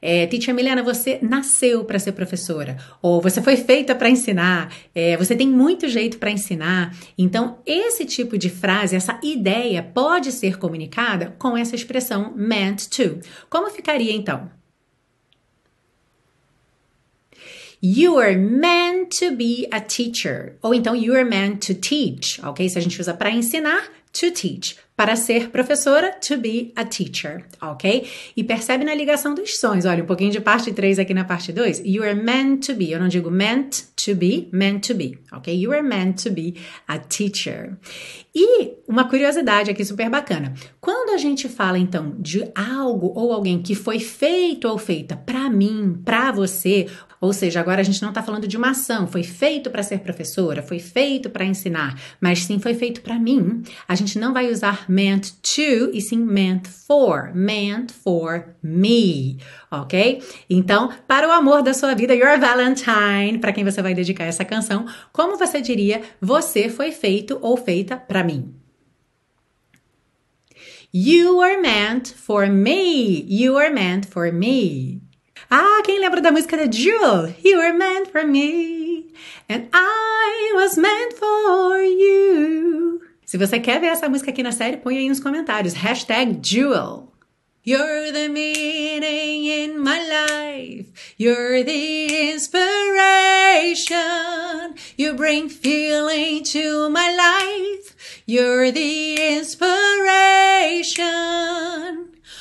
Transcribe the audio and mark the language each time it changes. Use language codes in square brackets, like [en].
[pt] Teacher Milena, você nasceu para ser professora, ou você foi feita para ensinar, você tem muito jeito para ensinar. Então, esse tipo de frase, essa ideia pode ser comunicada com essa expressão meant to. Como ficaria então? [en] You are meant to be a teacher. [pt] Ou então, [en] you are meant to teach, ok? [pt] Se a gente usa para ensinar, [en] to teach. [pt] Para ser professora, [en] to be a teacher, [pt] ok? E percebe na ligação dos sons. Olha, um pouquinho de parte 3 aqui na parte 2. [en] You are meant to be. [pt] Eu não digo [en] meant to be, ok? You are meant to be a teacher. [pt] E uma curiosidade aqui super bacana. Quando a gente fala, então, de algo ou alguém que foi feito ou feita para mim, para você, ou seja, agora a gente não está falando de uma ação, foi feito para ser professora, foi feito para ensinar, mas sim foi feito para mim, a gente não vai usar meant to, e sim meant for me, ok? Então, para o amor da sua vida, [en] your Valentine, [pt] para quem você vai dedicar essa canção, como você diria, você foi feito ou feita para mim? [en] You are meant for me, you are meant for me. [pt] Ah, quem lembra da música da Jewel? [en] You were meant for me, and I was meant for you. [pt] Se você quer ver essa música aqui na série, põe aí nos comentários. Hashtag Jewel. [en] You're the meaning in my life. You're the inspiration. You bring feeling to my life. You're the inspiration.